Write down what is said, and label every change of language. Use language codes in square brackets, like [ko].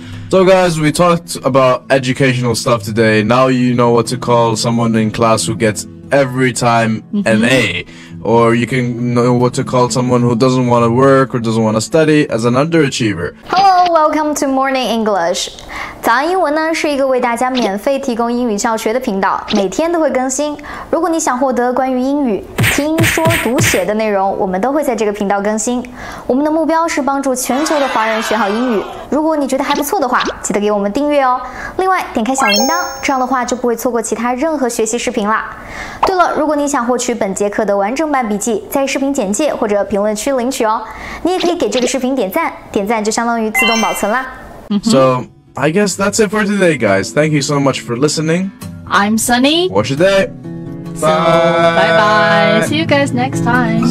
[en] So guys, we talked about educational stuff today. Now you know what to call someone in class who gets every time an A. Or you can know what to call someone who doesn't want to work or doesn't want to study as an underachiever. Hello, welcome to Morning English. [zh] 早安英文呢是一个为大家免费提供英语教学的频道，每天都会更新。如果你想获得关于英语听说读写的内容，我们都会在这个频道更新。我们的目标是帮助全球的华人学好英语。如果你觉得还不错的话，记得给我们订阅哦。另外，点开小铃铛，这样的话就不会错过其他任何学习视频啦。对了，如果你想获取本节课的完整版笔记，在视频简介或者评论区领取哦。你也可以给这个视频点赞，点赞就相当于自动保存啦。 [en] So, I guess that's it for today, guys. Thank you so much for listening. I'm Sunny. What's your day? Bye. So, bye bye. See you guys next time.